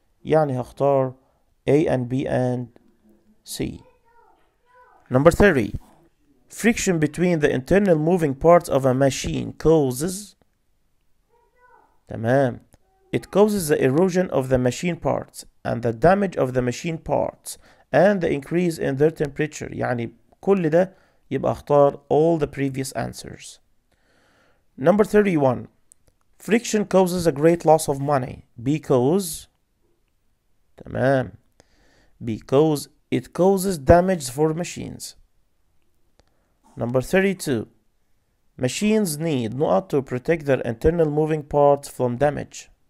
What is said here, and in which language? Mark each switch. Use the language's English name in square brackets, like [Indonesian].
[Arabic] يعني هختار [English] A and B and C. Number 30. Friction between the internal moving parts of a machine causes. [Arabic] تمام. [English] It causes the erosion of the machine parts and the damage of the machine parts and the increase in their temperature. [Arabic] يعني كل ده يبقى اختار [English] all the previous answers. Number 31. Friction causes a great loss of money because. [Arabic] تمام. [English] Because it causes damage for machines. Number 32. Machines need not to protect their internal moving parts from damage.